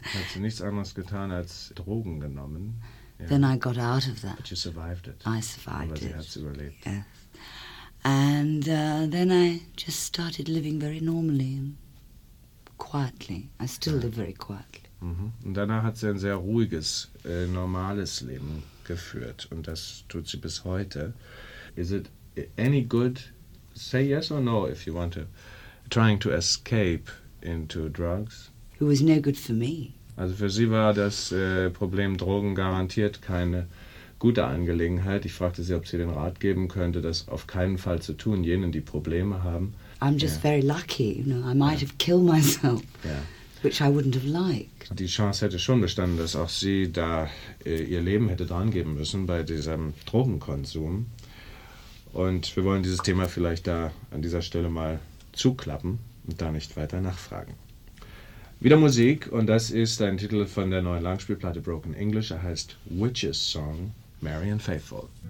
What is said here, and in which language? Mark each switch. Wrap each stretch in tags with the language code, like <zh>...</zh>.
<de>Hat sie nichts anderes getan als Drogen genommen.</de> <en>Yeah. Then I got out of that. But you survived it. I survived it. Had to relate. Yes. And then I just started living very normally and quietly. I still live very quietly. Mm-hmm.</en> <de>Und danach hat sie ein sehr ruhiges, normales Leben geführt. Und das tut sie bis heute.</de> <en>Is it any good, say yes or no if you want to, trying to escape into drugs? It was no good for me.</en> <de>Also für sie war das Problem Drogen garantiert keine gute Angelegenheit. Ich fragte sie, ob sie den Rat geben könnte, das auf keinen Fall zu tun, jenen, die Probleme haben.</de> <en>I'm just very lucky, you know, I might have killed myself, which I wouldn't have liked.</en> <de>Die Chance hätte schon bestanden, dass auch sie da ihr Leben hätte drangeben müssen bei diesem Drogenkonsum. Und wir wollen dieses Thema vielleicht da an dieser Stelle mal zuklappen und da nicht weiter nachfragen. Wieder Musik, und das ist ein Titel von der neuen Langspielplatte Broken English. Er heißt Witch's Song, Marian Faithfull.</de>